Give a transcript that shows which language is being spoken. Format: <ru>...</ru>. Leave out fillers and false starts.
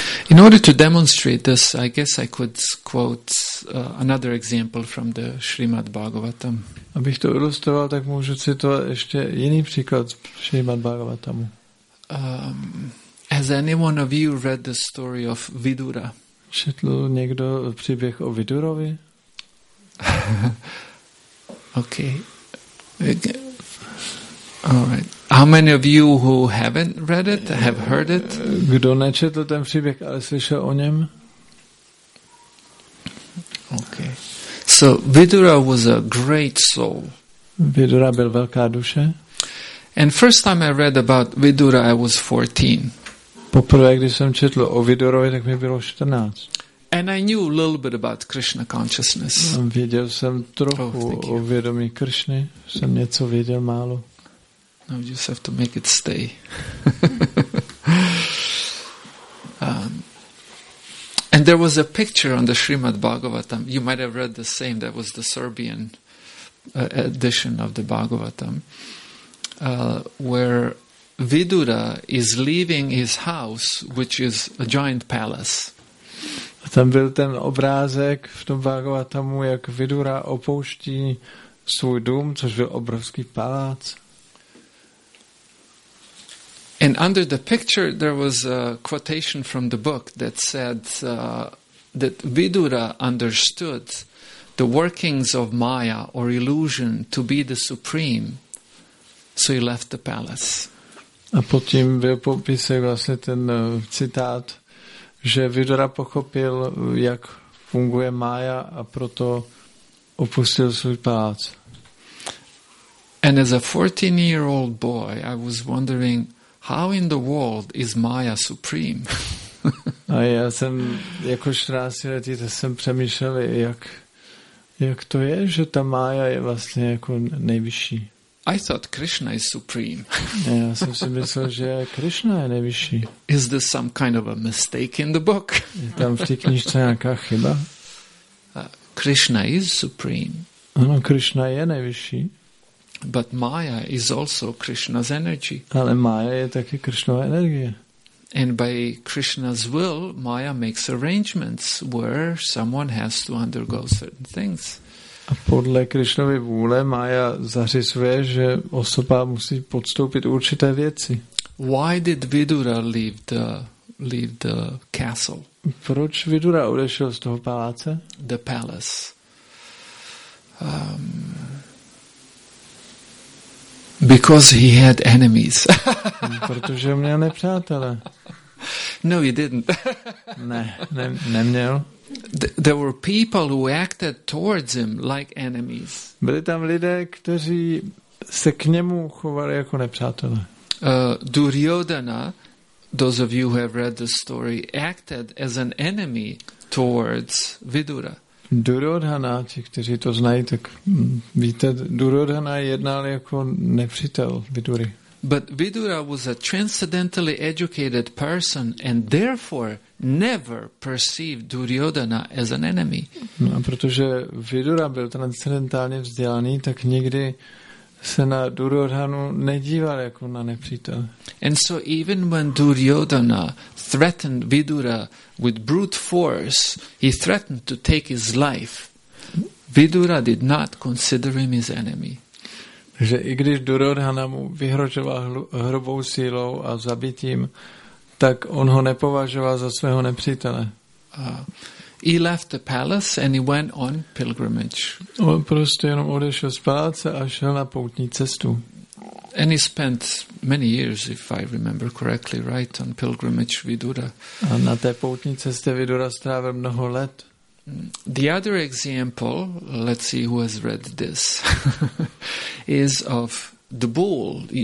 <en>In order to demonstrate this, I guess I could quote another example from the Srimad Bhagavatam.</en> <cs>Abych to ilustroval, tak můžu citovat ještě jiný příklad z Srimad Bhagavatamu.</cs> <en>Has anyone of you read the story of Vidura?</en> <cs>Četl někdo příběh o Vidurovi?</cs> <en>Okay. All right. How many of you who haven't read it have heard it?</en> <cs>Kdo nečetl ten příběh, ale slyšel o něm?</cs> <en>Okay. So Vidura was a great soul.</en> <cs>Vidura byl velká duše.</cs> <en>And first time I read about Vidura, I was 14.</en> <cs>Poprvé, když jsem četl o Vidurovi, tak mi bylo 14.</cs> <en>And I knew a little bit about Krishna consciousness.</en> <cs>Věděl jsem trochu o vědomí Kršny. Jsem něco věděl málo.</cs> <en>Now just have to make it stay. And there was a picture on the Srimad Bhagavatam. You might have read the same. That was the Serbian edition of the Bhagavatam, where Vidura is leaving his house, which is a giant palace.</en> <cs>Tam byl ten obrázek v tom Bhagavatamu, jak Vidura opouští svůj dům, což byl obrovský palác.</cs> <en>And under the picture there was a quotation from the book that said that Vidura understood the workings of Maya or illusion to be the supreme, so he left the palace.</en> <cs>A potom byl popisek vlastně ten citát, že Vidura pochopil, jak funguje Maya, a proto opustil svůj palác.</cs> <en>And as a 14-year-old boy, I was wondering, how in the world is Maya supreme?</en> <cs>A já jsem jako 14letý, tak jsem přemýšlel, jak to je, že ta Maya je vlastně jako nejvyšší.</cs> <en>I thought Krishna is supreme.</en> <cs>A já jsem si myslel, že Krishna je nejvyšší.</cs> <en>Is this some kind of a mistake in the book?</en> <cs>Je tam v té knižce nějaká chyba?</cs> <en>Krishna is supreme.</en> <cs>Ano, Krishna je nejvyšší.</cs> <en>But Maya is also Krishna's energy.</en> <cs>Ale Maya je taky Krishnova energie.</cs> <en>And by Krishna's will, Maya makes arrangements where someone has to undergo certain things.</en> <cs>A podle Krishnovy vůle Maya zařizuje, že osoba musí podstoupit určité věci.</cs> <en>Why did Vidura leave the castle?</en> <cs>Proč Vidura odešel z toho paláce?</cs> <en>The palace. Because he had enemies.</en> <cs>Protože měl nepřátele.</cs> <en>No, he didn't.</en> <cs>Neměl.</cs> <en>There were people who acted towards him like enemies.</en> <cs>Byli tam lidé, kteří se k němu chovali jako nepřátelé.</cs> <en>Duryodhana, those of you who have read the story, acted as an enemy towards Vidura.</en> <cs>Duryodhana, ti, kteří to znají, tak víte, Duryodhana jednal jako nepřítel Vidury.</cs> <en>But Vidura was a transcendentally educated person and therefore never perceived Duryodhana as an enemy.</en> <cs>No, protože Vidura byl transcendentálně vzdělaný, tak nikdy se na Duryodhanu nedíval jako na nepřítel.</cs> <en>And so even when Duryodhana threatened Vidura with brute force, he threatened to take his life, Vidura did not consider him his enemy.</en> <cs>Že i když Duryodhana mu vyhrožoval hrubou sílou a zabitím, tak on ho nepovažoval za svého nepřítele.</cs> <en>He left the palace and he went on pilgrimage.</en> <cs>On prostě jenom odešel z paláce a šel na poutní cestu.</cs> <en>And he spent many years, if I remember correctly, right, on pilgrimage Vidura.</en> <cs>A na té poutní cestě Vidura strávil mnoho let.</cs> <en>The other example, let's see who has read this, is of the bull.</en>